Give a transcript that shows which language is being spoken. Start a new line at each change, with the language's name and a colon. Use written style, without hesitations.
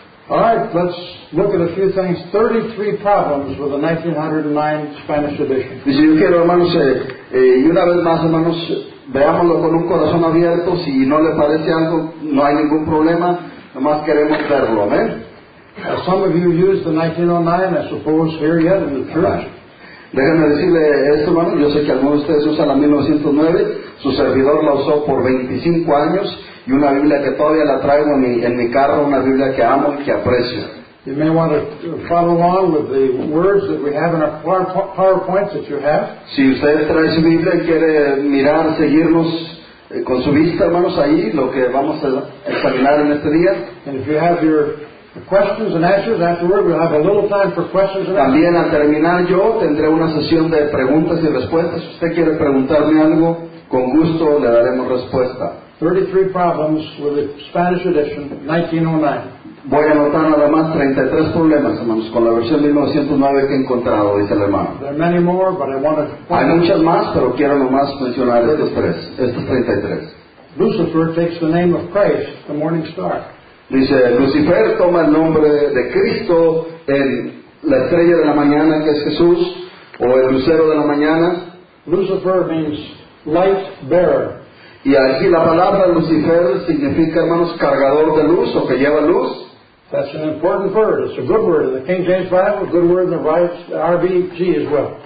English: All right, let's look at a few things. 33 problems with the 1909 Spanish edition.
Spanish: Y si yo quiero, hermanos, y una vez más, hermanos, veámoslo con un corazón abierto. Si no le parece algo, no hay ningún problema. Nomás queremos verlo, ¿amén?
English: Some of you use the 1909, I suppose, here yet in the church. Right.
Spanish: Déjenme decirle esto, hermano. Yo sé que algunos de ustedes usan la 1909. Su servidor la usó por 25 años. Y una Biblia que todavía la traigo en mi carro, una Biblia que amo y que aprecio.
English: You may want to follow along with the words that we have in our PowerPoints that you have.
Spanish: Si usted trae su Biblia y quiere mirar, seguirnos con su vista, hermanos, ahí lo que vamos a examinar en este día.
English: And if you have your questions and answers afterward, we'll have a little time for questions.
Spanish: También al terminar yo tendré una sesión de preguntas y respuestas. Si usted quiere preguntarme algo, con gusto le daremos respuesta.
English: 33 problems with the Spanish edition, 1909.
Spanish: Voy a anotar nada más 33 problemas, hermanos, con la versión 1909 que he encontrado, dice el hermano.
English: There are many more, but I want to...
Spanish: Hay muchas más, pero quiero nomás mencionar estos 33.
English: Lucifer takes the name of Christ, the morning star.
Spanish: Dice, Lucifer toma el nombre de Cristo en la estrella de la mañana, que es Jesús, o el lucero de la mañana.
English: Lucifer means light bearer.
Spanish: Y aquí la palabra Lucifer significa, hermanos, cargador de luz o que lleva luz.
English: That's an important word. It's a good word in the King James Bible, a good word in the RBG as well.